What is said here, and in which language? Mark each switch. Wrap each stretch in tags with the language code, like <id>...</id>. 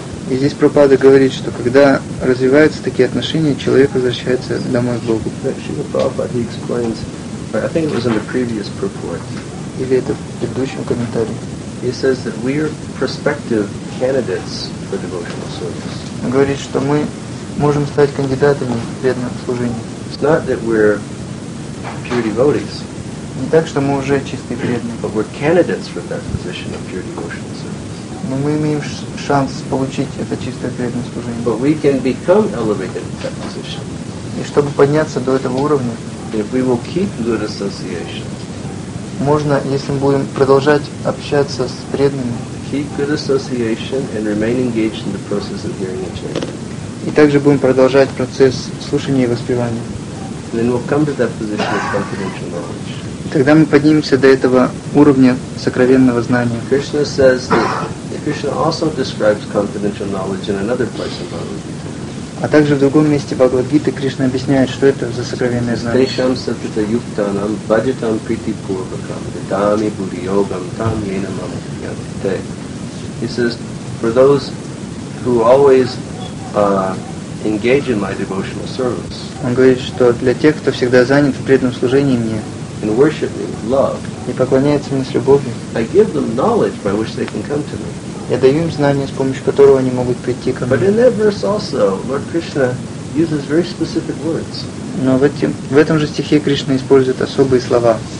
<ru>И здесь Прабхупада говорит, что когда развиваются такие отношения, человек возвращается домой к Богу.</ru> <en>Шрила Прабхупада, he explains, I think it was in the previous purport.</en> <ru>Или это в предыдущем комментарии.</ru> <en>He says that we are prospective candidates for devotional service.</en> <ru>Он говорит, что мы можем стать кандидатами в преданном служении.</ru> <en>It's not that we're pure devotees.</en> <ru>Не так, что мы уже чистые преданные.</ru> <en>But we're candidates for that position of pure devotional service.</en> <ru>Но мы имеем шанс получить это чистое преданное служение.</ru> <en>But we can become elevated in that position.</en> <ru>И чтобы подняться до этого уровня,</ru> <en>if we will keep good association,</en> <ru>можно, если мы будем продолжать общаться с преданными,</ru> <en>keep good association and remain engaged in the process of hearing and chanting.</en> <ru>И также будем продолжать процесс слушания и воспевания.</ru> <en>Then we'll come to that position of confidential knowledge.</en> <ru>Когда мы поднимемся до этого уровня сокровенного знания.</ru> <en>Krishna says that Krishna also describes confidential knowledge in another place in Bhagavad Gita.</en> <ru>А также в другом месте Бхагавад Гиты Кришна объясняет, что это за сокровенное знание.</ru> <sa>Стейшам сатита юктанам баджитам прити пурвакам дами буди йогам там йена мама пьянте.</sa> <en>He says, for those who always engage in my devotional service.</en> <ru>Он говорит, что для тех, кто всегда занят в преданном служении мне.</ru> <en>And worship me with love.</en> <ru>И поклоняется мне с любовью.</ru> <en>I give them knowledge by which they can come to me.</en> <ru>Я даю им знания, с помощью которого они могут прийти ко мне.</ru> <en>But in that verse also, Lord Krishna uses very specific words.</en> <ru>Но в этом же стихе Кришна использует особые слова.</ru>